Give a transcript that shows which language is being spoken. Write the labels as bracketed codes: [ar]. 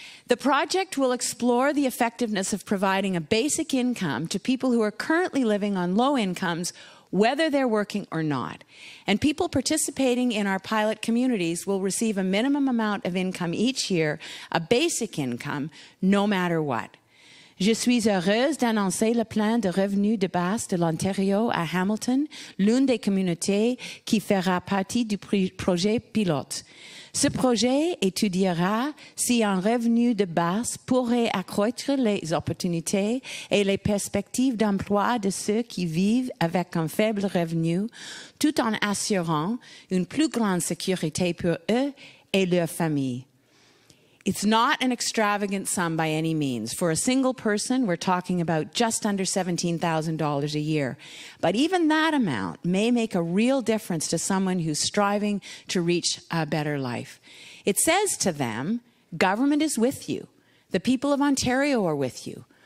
[en] The project will explore the effectiveness of providing a basic income to people who are currently living on low incomes, whether they're working or not. And people participating in our pilot communities will receive a minimum amount of income each year, a basic income, no matter what. [fr] Je suis heureuse d'annoncer le plan de revenu de base de l'Ontario à Hamilton, l'une des communautés qui fera partie du projet pilote. Ce projet étudiera si un revenu de base pourrait accroître les opportunités et les perspectives d'emploi de ceux qui vivent avec un faible revenu, tout en assurant une plus grande sécurité pour eux et leur famille. [en] It's not an extravagant sum by any means. For a single person, we're talking about just under $17,000 a year. But even that amount may make a real difference to someone who's striving to reach a better life. It says to them, government is with you. The people of Ontario are with you.